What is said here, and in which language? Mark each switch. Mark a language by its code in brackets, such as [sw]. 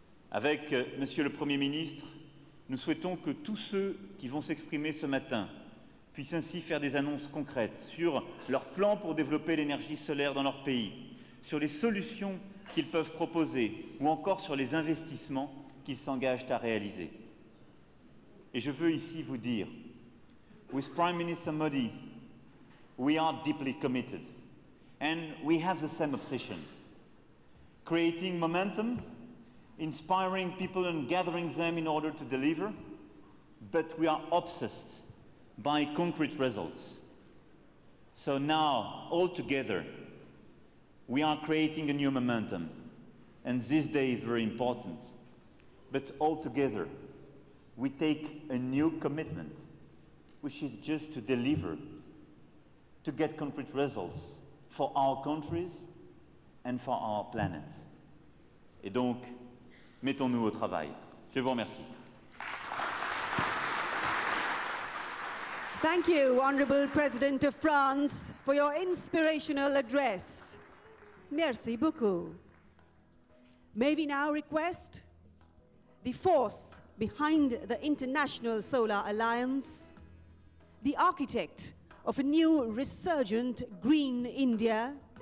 [fr] Avec Monsieur le Premier ministre, nous souhaitons que tous ceux qui vont s'exprimer ce matin puissent ainsi faire des annonces concrètes sur leurs plans pour développer l'énergie solaire dans leur pays, sur les solutions qu'ils peuvent proposer ou encore sur les investissements qu'ils s'engagent à réaliser. Et je veux ici vous dire, [en] with Prime Minister Modi, we are deeply committed and we have the same obsession. Creating momentum, inspiring people and gathering them in order to deliver, but we are obsessed by concrete results. So now, all together, we are creating a new momentum, and this day is very important. But all together, we take a new commitment, which is just to deliver, to get concrete results for our countries and for our planet. [fr] Et donc, mettons-nous au travail. Je vous remercie. [en] Thank you, Honorable President of France, for your inspirational address. [fr] Merci beaucoup. [en] May we now request the force behind the International Solar Alliance, the architect of a new resurgent Green India.